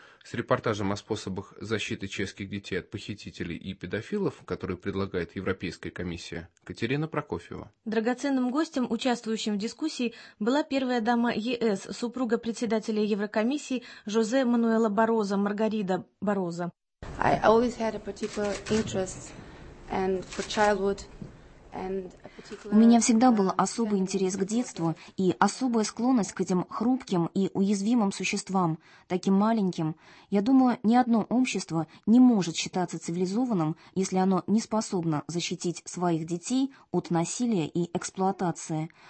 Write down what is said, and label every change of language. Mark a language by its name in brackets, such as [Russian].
[Russian] С репортажем о способах защиты чешских детей от похитителей и педофилов, который предлагает Европейская комиссия, Катерина Прокофьева. Драгоценным гостем, участвующим в дискуссии, была первая дама ЕС, супруга председателя Еврокомиссии Жозе Мануэла Бароза, Маргарида Бароза. [English] I always had a particular interest. [Russian] У меня всегда был особый интерес к детству и особая склонность к этим хрупким и уязвимым существам, таким маленьким. Я думаю, ни одно общество не может считаться цивилизованным, если оно не способно защитить своих детей от насилия и эксплуатации.